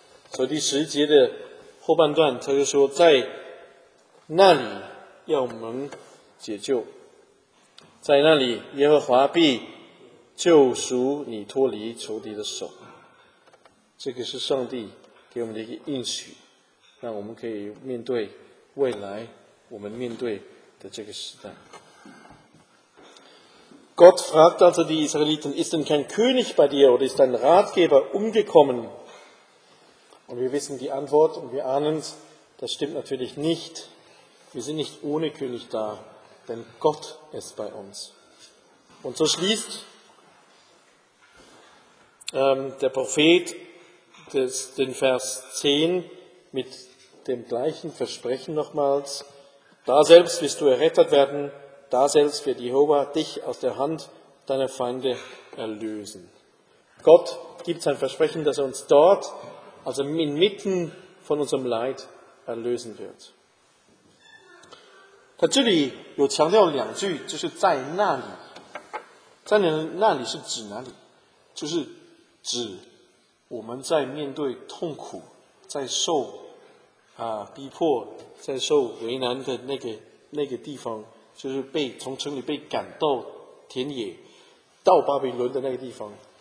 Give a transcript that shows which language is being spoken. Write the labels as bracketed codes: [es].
[zh] 所以第十节的后半段他就说，在那里要蒙解救，在那里耶和华必救赎你脱离仇敌的手。这个是上帝给我们的一个应许，让我们可以面对未来我们面对的这个时代。 [de] Gott fragt also die Israeliten, ist denn kein König bei dir oder ist dein Ratgeber umgekommen? Und wir wissen die Antwort und wir ahnen es, das stimmt natürlich nicht. Wir sind nicht ohne König da, denn Gott ist bei uns. Und so schließt der Prophet den Vers 10 mit dem gleichen Versprechen nochmals. Da selbst wirst du errettet werden, da selbst wird Jehova dich aus der Hand deiner Feinde erlösen. Gott gibt sein Versprechen, dass er uns dort, also inmitten von unserem Leid, erlösen wird. [zh] 他这里有强调两句，就是在那里，在那里是指哪里？就是指我们在面对痛苦，在受逼迫，在受为难的那个地方，就是被从城里被赶到田野，到巴比伦的那个地方。